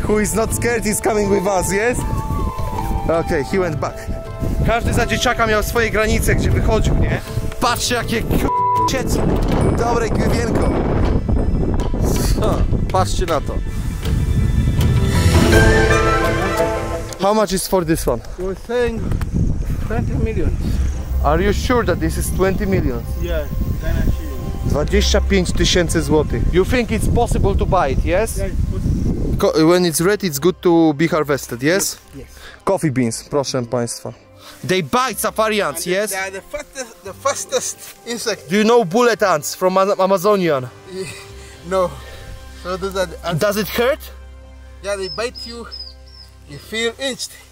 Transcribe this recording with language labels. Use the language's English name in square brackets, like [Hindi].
[English] Who is not scared is coming with us, yes? Okay, he went back. [Polish] Każdy za dzieciaka miał swoje granice, gdzie wychodził, nie? Patrzcie, jakie k***cie. Dobre gwienko. Patrzcie na to. [English] How much is for this one? We're saying 20 million. Are you sure that this is 20 million? Yes, yeah, [Polish] 25 tysięcy złotych. [English] You think it's possible to buy it, yes? Yeah, when it's red, it's good to be harvested, yes? Yes. Coffee beans, [Polish] proszę państwa. [English] They bite safari ants, and yes? They are the fastest insect. Do you know bullet ants from Amazonian? No. So those are the ants. Does it hurt? Yeah, they bite you. You feel itched.